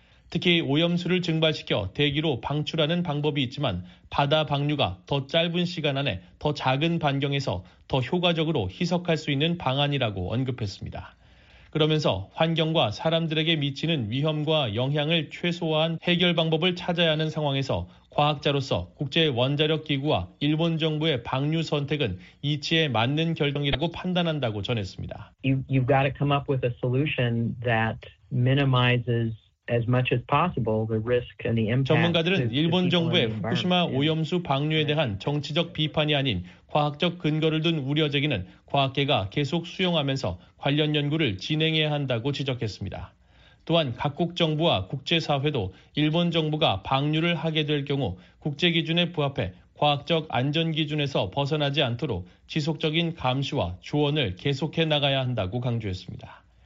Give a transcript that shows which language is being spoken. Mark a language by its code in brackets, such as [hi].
[ko] 특히 오염수를 증발시켜 대기로 방출하는 방법이 있지만 바다 방류가 더 짧은 시간 안에 더 작은 반경에서 더 효과적으로 희석할 수 있는 방안이라고 언급했습니다. 그러면서 환경과 사람들에게 미치는 위험과 영향을 최소화한 해결 방법을 찾아야 하는 상황에서 과학자로서 국제원자력기구와 일본 정부의 방류 선택은 이치에 맞는 결정이라고 판단한다고 전했습니다. [en] You've got to come up with a solution that minimizes as much as possible the risk and the impact. [ko] 전문가들은 일본 정부의 후쿠시마 오염수 방류에 대한 정치적 비판이 아닌 과학적 근거를 둔 우려 제기는 과학계가 계속 수용하면서 관련 연구를 진행해야 한다고 지적했습니다. 또한 각국 정부와 국제사회도 일본 정부가 방류를 하게 될 경우 국제 기준에 부합해 과학적 안전 기준에서 벗어나지 않도록 지속적인 감시와 조언을 계속해 나가야 한다고 강조했습니다.